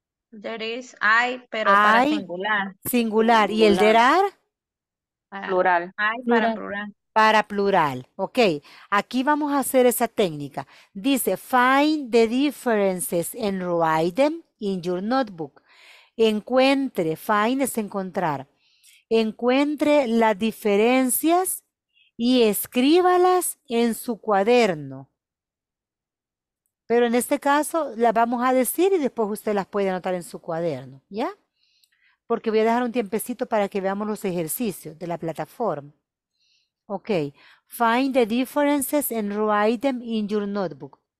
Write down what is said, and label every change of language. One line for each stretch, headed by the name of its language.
English: There is,
Spanish: hay, pero para singular. Singular. ¿Y el
English: there are?
Spanish: Plural. Hay para plural. Para plural. Ok, aquí vamos a hacer esa técnica.
English: Dice, find the differences and write them in your notebook.
Spanish: Encuentre, find es encontrar. Encuentre las diferencias y escríbalas en su cuaderno. Pero en este caso las vamos a decir y después usted las puede anotar en su cuaderno, ¿ya? Porque voy a dejar un tiempecito para que veamos los ejercicios de la plataforma.
English: Ok, find the differences and write them in your notebook.